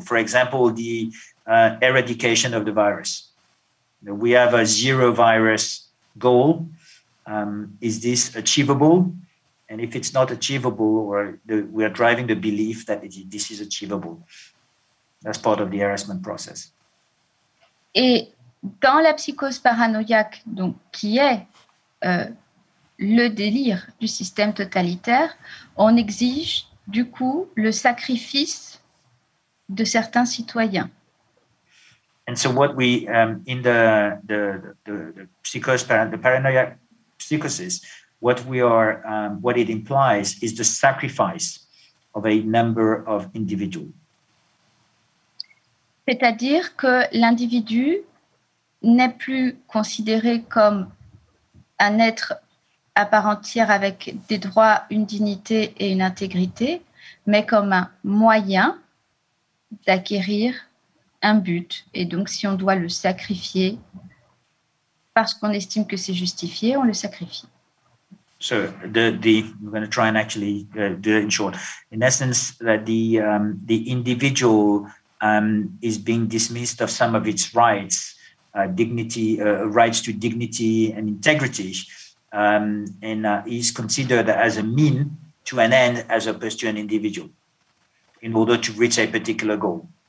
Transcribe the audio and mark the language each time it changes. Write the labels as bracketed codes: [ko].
[en] For example, the eradication of the virus. We have a zero virus goal. Is this achievable? And if it's not achievable, or we are driving the belief that this is achievable, that's part of the harassment process. [fr] Et dans la psychose paranoïaque, donc qui est le délire du système totalitaire, on exige du coup, le sacrifice de certains citoyens. [en] And so what we in the psychosis, the paranoia psychosis, what we are what it implies is the sacrifice of a number of individuals. [fr] C'est-à-dire que l'individu n'est plus considéré comme un être à part entière avec des droits, une dignité et une intégrité, mais comme un moyen d'acquérir un but. Et donc, si on doit le sacrifier parce qu'on estime que c'est justifié, on le sacrifie. [en] So the we're going to try and actually do it in short. In essence, that the individual is being dismissed of some of its rights, dignity, rights to dignity and integrity, and is considered as a mean to an end as opposed to an individual in order to reach a particular goal.